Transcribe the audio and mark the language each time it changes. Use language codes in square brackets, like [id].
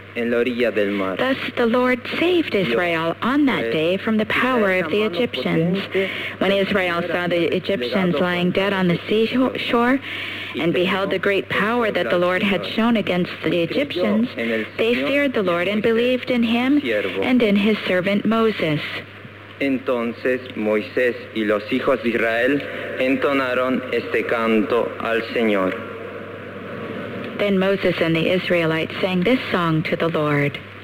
[en] Thus the Lord saved Israel on that day from the power of the Egyptians. When Israel saw the Egyptians lying dead on the seashore and beheld the great power that the Lord had shown against the Egyptians, they feared the Lord and believed in him and in his servant Moses. [es] Entonces Moisés y los hijos de Israel entonaron este canto al Señor. [en] Then Moses and the Israelites sang this song to the Lord.